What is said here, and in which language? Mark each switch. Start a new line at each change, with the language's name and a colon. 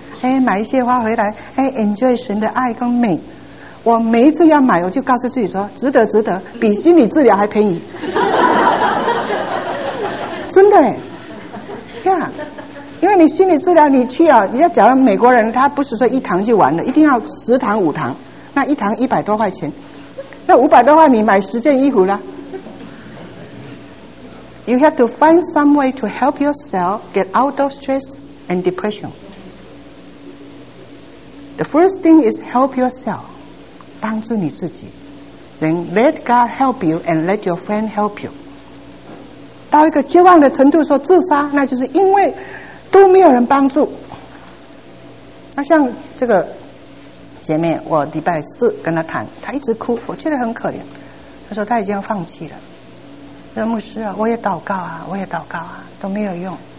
Chinese: 哎，买一些花回来，哎 ，enjoy 神的爱跟美。我每一次要买，我就告诉自己说，值得，值得，比心理治疗还便宜。真的哎，呀，因为你心理治疗你去啊，你要假如美国人他不是说一堂就完了，一定要十堂五堂，那一堂100多块钱。那500多块你买10件衣服了。
English: You have to find some way to help yourself get out of stress and depression. The first thing is help yourself,
Chinese: 帮助你自己。
English: Then let God help you and let your friend help you.
Chinese: 到一个绝望的程度说自杀，那就是因为都没有人帮助。那像这个姐妹，我礼拜四跟她谈，她一直哭，我觉得很可怜。她说她已经放弃了。说牧师啊，我也祷告啊，我也祷告啊，都没有用。